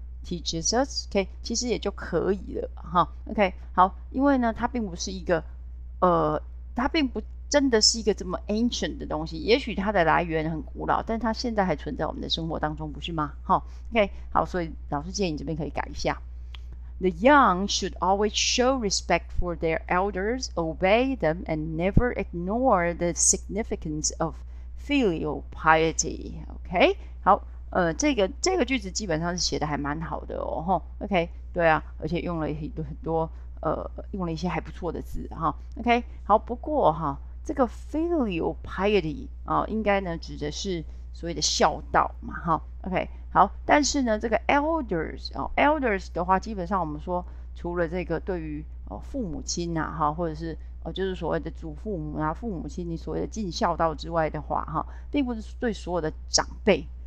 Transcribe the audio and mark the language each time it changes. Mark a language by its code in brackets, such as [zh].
[en] Teaches us, [zh] OK，其实也就可以了哈。OK，好，因为呢，它并不是一个，它并不真的是一个这么 ancient 的东西。也许它的来源很古老，但它现在还存在我们的生活当中，不是吗？哈，OK，好，所以老师建议你这边可以改一下。 [en] The young should always show respect for their elders, obey them, and never ignore the significance of filial piety. [zh] OK，好。这个句子基本上是写的还蛮好的哦，吼，OK，对啊，而且用了很多，用了一些还不错的字哈，OK，好，不过哈，这个 filial piety 啊，应该呢指的是所谓的孝道嘛，哈，OK，好，但是呢，这个 elders 哦，elders 的话，基本上我们说除了这个对于父母亲呐，哈，或者是就是所谓的祖父母啊、父母亲，你所谓的尽孝道之外的话，哈，并不是对所有的长辈。